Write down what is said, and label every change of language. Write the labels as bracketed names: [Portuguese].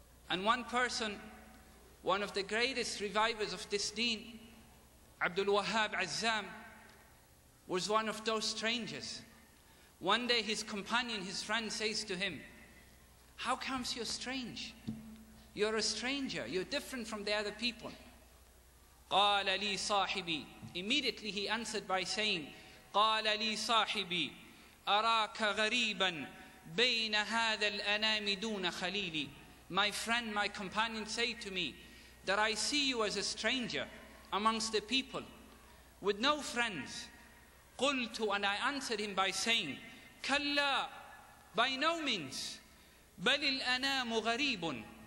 [English] And one person, one of the greatest revivers of this deen, Abdul Wahhab Azzam, was one of those strangers. One day his companion, his friend says to him, how comes you're strange? You're a stranger, you're different from the other people. [Arabic] قال لي صاحبي. [English] Immediately he answered by saying, [Arabic] قال لي صاحبي أراك غريبا بين هذا الأنام دون خليلي. [English] My friend, my companion said to me that I see you as a stranger amongst the people with no friends. [Arabic] قلت, [English] and I answered him by saying, كلا, by no means, [Arabic] بل الأنام غريب.